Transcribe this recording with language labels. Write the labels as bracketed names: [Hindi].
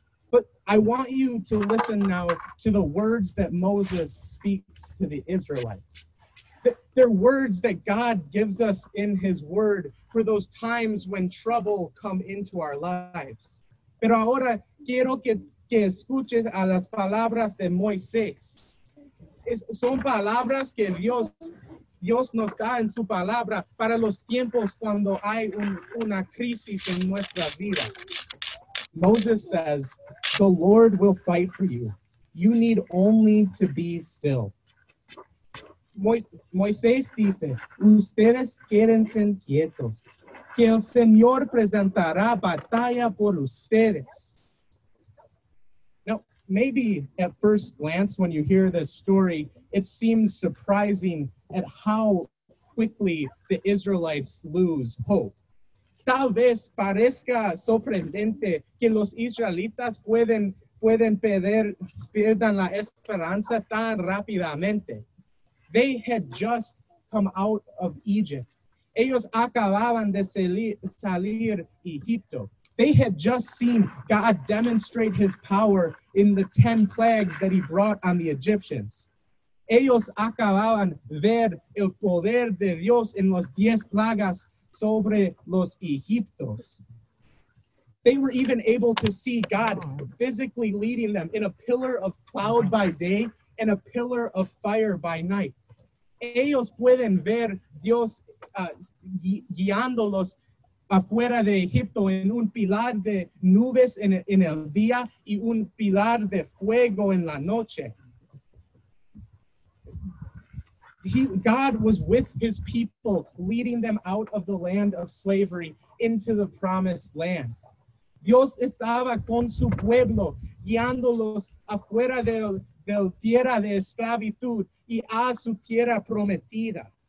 [English] But I want you to listen now to the words that Moses speaks to the Israelites. They're words that God gives us in his word for those times when trouble come into our lives. [Spanish] Pero ahora quiero que escuches a las palabras de Moisés. Son palabras que Dios nos da en su palabra para los tiempos cuando hay una crisis en nuestras vidas. [English] Moses says, "The Lord will fight for you. You need only to be still." [Spanish] Moisés dice, "Ustedes quédense quietos, que el Señor presentará batalla por ustedes." [English] Maybe at first glance, when you hear this story, it seems surprising at how quickly the Israelites lose hope. [Spanish] Tal vez parezca sorprendente que los israelitas pueden pierdan la esperanza tan rápidamente. [English] They had just come out of Egypt. [Spanish] Ellos acababan de salir Egipto. [English] They had just seen God demonstrate his power in the 10 plagues that he brought on the Egyptians. [Spanish] Ellos acababan ver el poder de Dios en las 10 plagas sobre los Egiptos. [English] They were even able to see God physically leading them in a pillar of cloud by day and a pillar of fire by night. [Spanish] Ellos pueden ver Dios guiándolos afuera de Egipto en un pilar de nubes en el día y un pilar de fuego en la noche. [English] God was with his people, leading them out of the land of slavery into the promised land. [Spanish] Dios estaba con su pueblo, guiándolos afuera del tierra de esclavitud y a su tierra prometido.